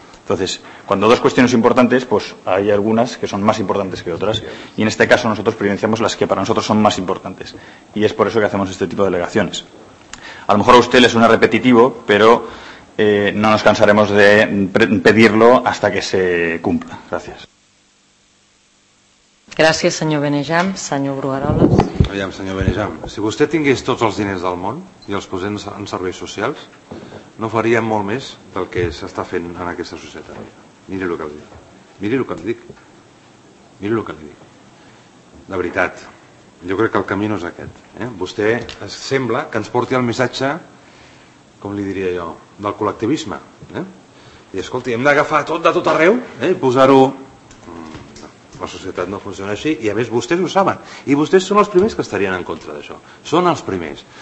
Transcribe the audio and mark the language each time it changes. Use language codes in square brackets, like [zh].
[es] Entonces, cuando dos cuestiones importantes, pues hay algunas que son más importantes que otras, y en este caso nosotros privilegiamos las que para nosotros son más importantes, y es por eso que hacemos este tipo de alegaciones. A lo mejor a usted le suena repetitivo, pero... no nos cansaremos de pedirlo hasta que se cumpla. Gracias. [ca] Gràcies, senyor Benejam. Senyor Brugueroles. Aviam, senyor Benejam, si vostè tingués tots els diners del món i els posés en serveis socials, no faria molt més del que s'està fent en aquesta societat. Miri el que li dic. Miri el que li dic. Miri el que li dic. De veritat, Jo crec que el camí no és aquest. Vostè sembla que ens porti el missatge, com li diria jo, del col·lectivisme. I, escolti, hem d'agafar tot de tot arreu i posar-ho... La societat no funciona així, i a més vostès ho saben, i vostès són els primers que estarien en contra d'això, són els primers.